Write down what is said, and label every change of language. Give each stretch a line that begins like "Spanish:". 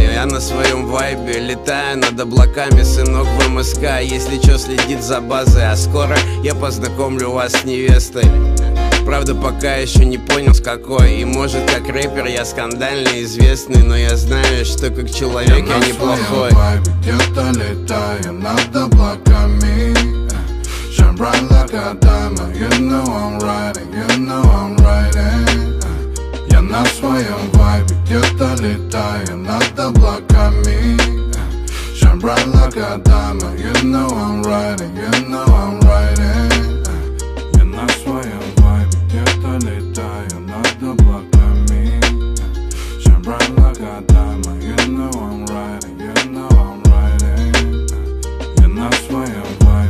Russian: Я на своем вайбе летаю над облаками. Сынок в МСК, если че, следит за базой. А скоро я познакомлю вас с невестой. Правда, пока еще не понял с какой. И может, как рэпер я скандально известный. Но я знаю, что как человек я неплохой. Я на своем вайбе где-то летаю над облаками.
English: Shine bright like a diamond. You know I'm riding, you know I'm riding.
Russian: Я на своем вайбе где-то летаю над облаками.
English: Shine bright like a diamond. You know I'm riding, you know I'm riding.
Russian: Я на своем вайбе где-то летаю над облаками.
English: Shine bright like a diamond. You know I'm riding, you know I'm riding.
Russian: Я на своем вайбе.